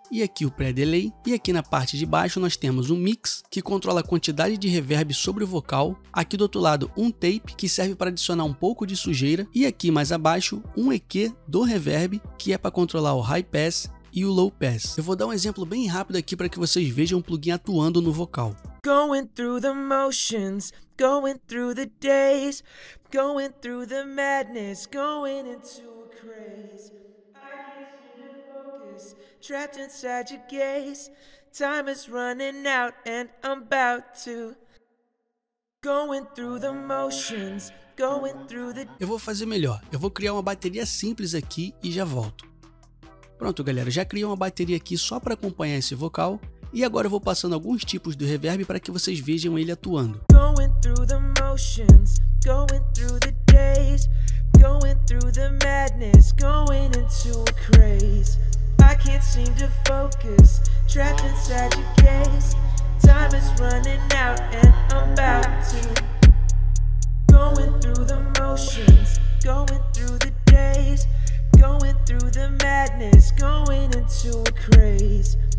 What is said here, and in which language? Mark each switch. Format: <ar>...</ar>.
<pt>E aqui o pré-delay, e aqui na parte de baixo nós temos um mix, que controla a quantidade de reverb sobre o vocal. Aqui do outro lado um tape, que serve para adicionar um pouco de sujeira. E aqui mais abaixo um EQ do reverb, que é para controlar o high pass e o low pass. Eu vou dar um exemplo bem rápido aqui para que vocês vejam o plugin atuando no vocal.</pt> <en>Going through the motions, going through the days, going through the madness, going into a craze. Trapped inside your gaze, time is running out and I'm about to. Going through the motions, going through the.</en> <pt>Eu vou fazer melhor, eu vou criar uma bateria simples aqui e já volto. Pronto, galera, já criei uma bateria aqui só para acompanhar esse vocal. E agora eu vou passando alguns tipos do reverb para que vocês vejam ele atuando.</pt> <en>Going through the motions, going through the days, going through the madness, going into a craze. I can't seem to focus, trapped inside your gaze. Time is running out and I'm about to. Going through the motions, going through the days, going through the madness, going into a craze.</en>